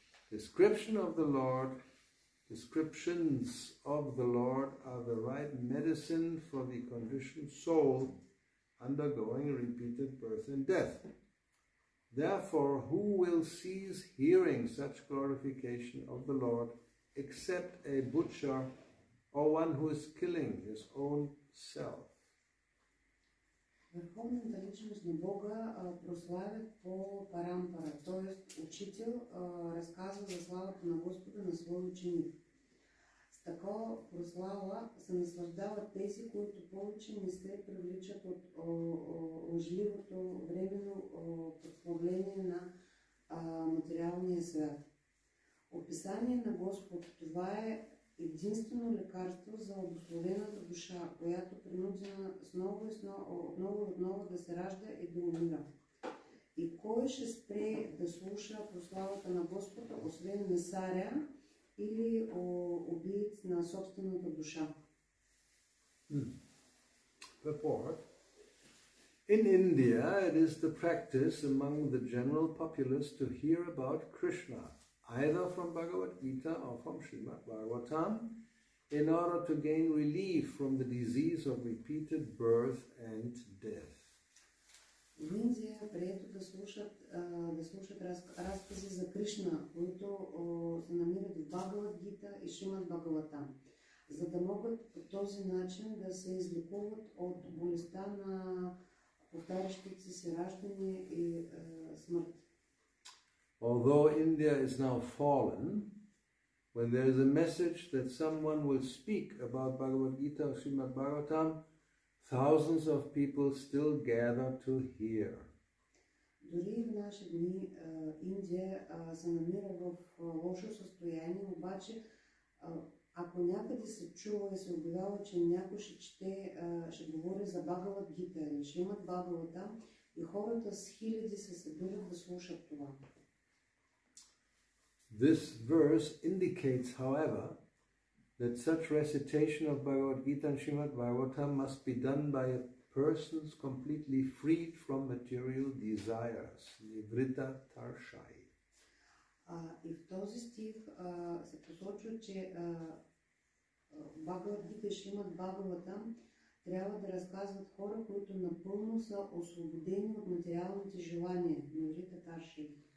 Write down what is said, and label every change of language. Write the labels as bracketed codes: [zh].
[en] Description of the Lord, descriptions of the Lord are the right medicine for the conditioned soul undergoing repeated birth and death. Therefore, who will cease hearing such glorification of the Lord except a butcher or one who is killing his own self? [bg] Върховната личност на Бога прославя по парампара, т.е. учител разказва за славата на Господа на своя ученик. С такова прослава се наслаждават тези, които повече не се привличат от лъжливото временно подпогление на материалния свят. Описание на Господ, това е единствено лекарство за обусловената душа, която принудена отново и отново да се ражда и да умира. И кой ще спре да слуша прославата на Господа, освен месаря или убиец на собствената душа? [en] In India, it is the practice among the general populace to hear about Krishna, either from Bhagavad Gita or from Srimad Bhagavatam, in order to gain relief from the disease of repeated birth and death. [bg] В Индия е прието да слушат разкази за Кришна, които се намират в Бхагавад Гита и Шримад Бхагаватам, за да могат по този начин да се излекуват от болестта на повтарящите се раждане и смърт. [en] Although India is now fallen, when there is a message that someone will speak about Bhagavad Gita or Srimad Bhagavatam, thousands of people still gather to hear. [bg] Дори в наши дни Индия се намира в лошо състояние, обаче ако някъде се чува и се обявява, че някой ще говори за Бхагавад Гита или Шримад Бхагавата, и хората с хиляди се събират да слушат това. [en] This verse indicates, however, that such recitation of Bhagavad Gita and Srimad Bhagavatam must be done by a person completely freed from material desires, nivritta tarshai. [bg] И в този стих се посочва, че Бхагавад Гита и Шримад Бхагаватам трябва да разказват хора, които напълно са освободени от материалните желания, nivritta tarshai.